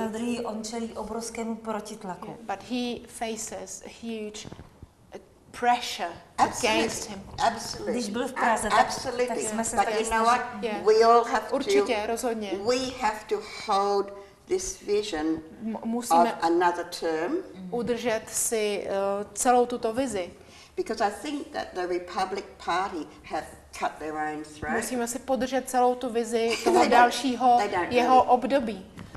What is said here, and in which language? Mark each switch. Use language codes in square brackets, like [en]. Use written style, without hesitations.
[cs] A za druhý on čelí obrovskému protitlaku. [en] But he faces huge pressure against him. Absolutely. [cs] Když byl v Praze, tak jsme se taky snažili. [en] Yeah. [cs] Určitě, rozhodně. [en] We have to hold this vision of another term. [cs] Udržet si celou tuto vizi. [en] Because I think that the Republic Party have cut their own throat. [cs] Musíme si podržet celou tu vizi toho dalšího jeho období.